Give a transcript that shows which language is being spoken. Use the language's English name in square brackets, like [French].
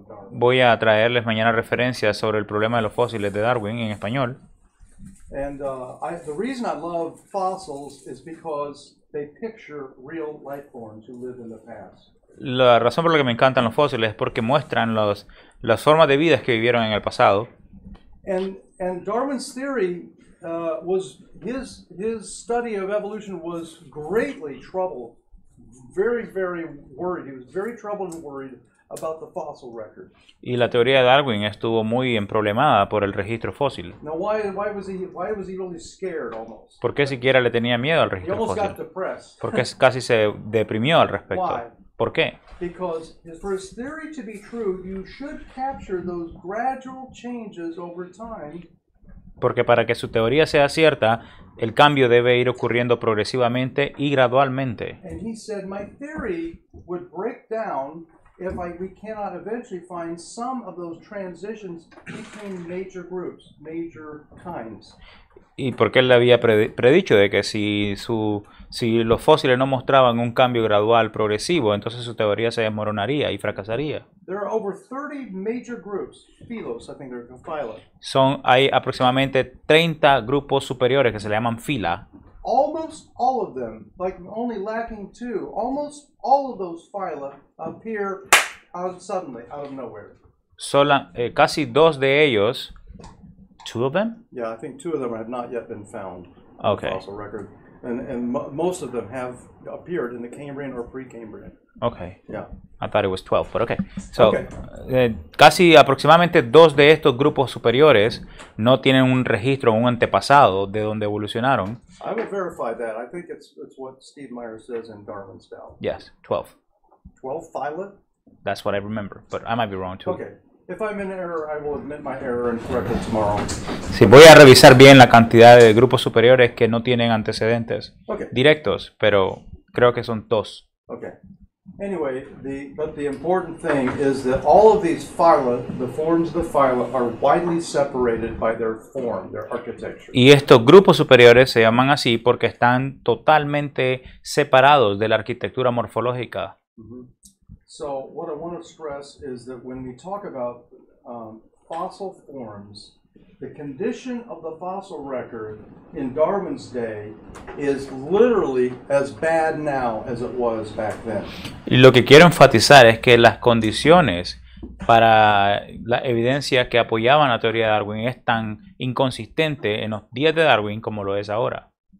[Spanish] Voy a traerles mañana referencias sobre el problema de los fósiles de Darwin en español. [English] And the reason I love fossils is because they picture real life forms who lived in the past. [Spanish] La razón por la que me encantan los fósiles es porque muestran las formas de vida que vivieron en el pasado. [English] And Darwin's theory was his study of evolution was greatly troubled. Very, very worried. He was very troubled and worried about the fossil record. [Spanish] Y la teoría de Darwin estuvo muy emproblemada por el registro fósil. [English] Now why was he really scared almost? [Spanish] ¿Por qué siquiera le tenía miedo al registro fósil? [English] He almost got depressed. [Spanish] Porque casi se deprimió al respecto. [English] Why? [Spanish] ¿Por qué? [English] Because for his theory to be true, you should capture those gradual changes over time. [Spanish] Porque para que su teoría sea cierta, el cambio debe ir ocurriendo progresivamente y gradualmente. [English] And he said, my theory would break down if we cannot eventually find some of those transitions between major groups, major kinds. [Spanish] Y porque él le había predicho de que si los fósiles no mostraban un cambio gradual progresivo, entonces su teoría se desmoronaría y fracasaría. [English] There are over 30 major groups, filos, I think they're called phyla. [Spanish] Hay aproximadamente 30 grupos superiores que se le llaman fila. [English] Almost all of them, like only lacking two, almost all of those phyla appear suddenly out of nowhere. [Spanish] Casi dos de ellos. [English] Two of them? Yeah, I think two of them have not yet been found. Okay. Fossil record. And most of them have appeared in the Cambrian or Precambrian. Okay. Yeah. I thought it was 12, but okay. So, okay. [Spanish] Casi aproximadamente dos de estos grupos superiores no tienen un registro, un antepasado de donde evolucionaron. [English] I will verify that. I think it's what Steve Meyer says in Darwin's Doubt. Yes, 12. 12 phyla? That's what I remember, but I might be wrong too. Okay. If I'm in error, I will admit my error and correct it tomorrow. [Spanish] Sí, voy a revisar bien la cantidad de grupos superiores que no tienen antecedentes directos, pero creo que son dos. [English] Okay. Anyway, the important thing is that all of these phyla, the forms of the phyla, are widely separated by their form, their architecture. [Spanish] Y estos grupos superiores se llaman así porque están totalmente separados de la arquitectura morfológica. [English] So what I want to stress is that when we talk about fossil forms, the condition of the fossil record in Darwin's day is literally as bad now as it was back then. [Spanish] Y lo que quiero enfatizar es que las condiciones para la evidencia que apoyaban la teoría de Darwin es tan inconsistente en los días de Darwin como lo es ahora.